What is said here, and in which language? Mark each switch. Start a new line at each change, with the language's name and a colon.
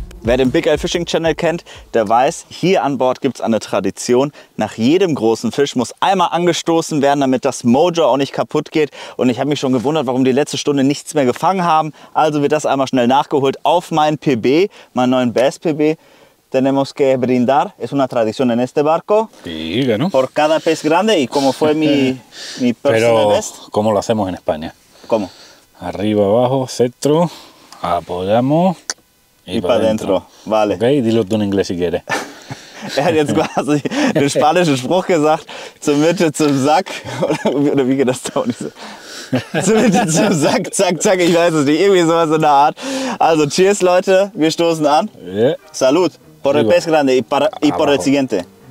German: Wer den Big L Fishing Channel kennt, der weiß, hier an Bord gibt es eine Tradition. Nach jedem großen Fisch muss einmal angestoßen werden, damit das Mojo auch nicht kaputt geht. Und ich habe mich schon gewundert, warum die letzte Stunde nichts mehr gefangen haben. Also wird das einmal schnell nachgeholt auf meinen PB, meinen neuen Bass PB.
Spanish: Tenemos que brindar, es una tradición en este barco. Sí, bueno. Por cada pez grande y como fue mi personal Pero,
English: best.
Spanish: Pero, ¿cómo lo hacemos en España? ¿Cómo? Arriba, abajo, cetro, apoyamos y para adentro. Vale. Ok, dilo tú en inglés si quieres.
German: Er hat jetzt quasi den spanischen Spruch gesagt, zur Mitte, zum Sack. Oder wie geht das da? Zur Mitte, zum Sack, zack, zack, ich weiß es nicht. Irgendwie sowas in der Art. Also,
English: cheers,
German: Leute, wir stoßen an.
English: Yeah.
Spanish: Salud. Por el pez grande y por el siguiente.